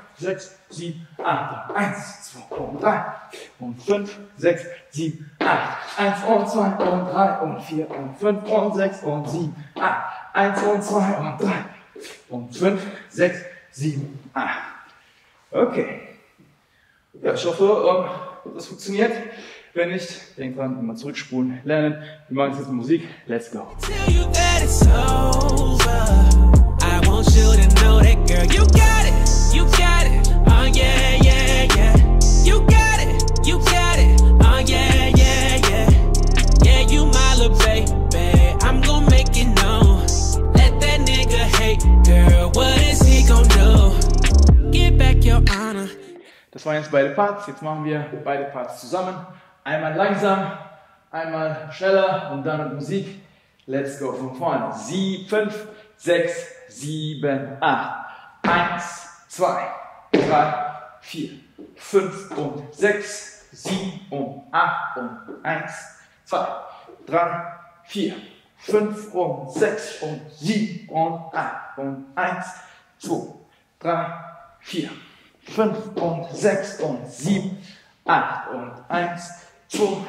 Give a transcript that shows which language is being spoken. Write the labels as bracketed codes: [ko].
[de] 6, 7, 8, 1, 2 und 3 und 5, 6, 7, 8, 1 und 2 und 3 und 4 und 5 und 6 und 7, 8, 1 und 2 und 3 und 5, 6, 7, 8. Okay. Ja, ich hoffe, das funktioniert. Wenn nicht, denkt dran, immer zurückspulen, lernen. Wir machen jetzt mit Musik. [en] Let's go. Tell you that it's over. I want you to know that girl, you got it. You got it, yeah, yeah, yeah. You got it, yeah, yeah, yeah. Yeah, you my little baby, I'm gon' make it known. Let that nigga hate, girl, what is he gon' do? Get back your honor. [de] Das waren jetzt beide Parts, jetzt machen wir beide Parts zusammen. Einmal langsam, einmal schneller und dann mit Musik. [en] Let's go [de] von vorne. 5, 6, 7, 8. 1, 2, 3, 4, 5 und 6, 7 und 8 und 1, 2, 3, 4, 5 und 6 und 7 und 8 und 1, 2, 3, 4, 5 und 6 und 7, 8 und 1, 2,